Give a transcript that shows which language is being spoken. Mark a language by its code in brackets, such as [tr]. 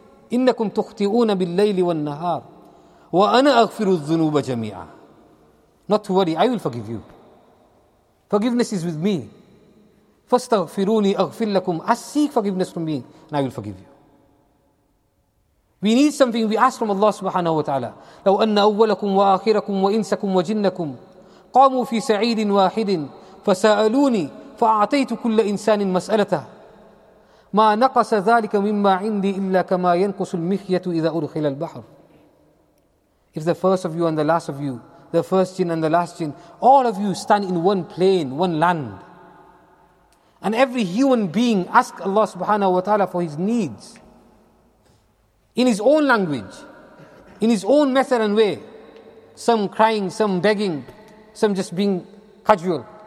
[ar] إِنَّكُمْ تُخْتِئُونَ بِاللَّيْلِ وَالنَّهَارِ وَأَنَا أَغْفِرُ الذُّنُوبَ جَمِيعًا. [en] Not to worry, I will forgive you. Forgiveness is with me. [ar] فَاسْتَغْفِرُونِي أَغْفِرْ لَكُمْ. [en] I seek forgiveness from me and I will forgive you. We need something, we ask from Allah subhanahu wa ta'ala. [ar] لَوْ أَنَّ أَوَّلَكُمْ وَآخِرَكُمْ وَإِنسَكُمْ وَجِنَّكُمْ قَامُوا فِي سَعِيدٍ وَاحِدٍ فَسَأَلُونِي فَأَعْطَيْتُ كُلَّ إِنسَانٍ مَسْأَلَتَهُ ما نقص ذلك مما عندي إلا كما ينقص المخية إذا أدخل البحر. [en] If the first of you and the last of you, the first jinn and the last jinn, all of you stand in one plane, one land, and every human being ask Allah subhanahu wa ta'ala for his needs in his own language, in his own method and way, some crying, some begging, some just being casual.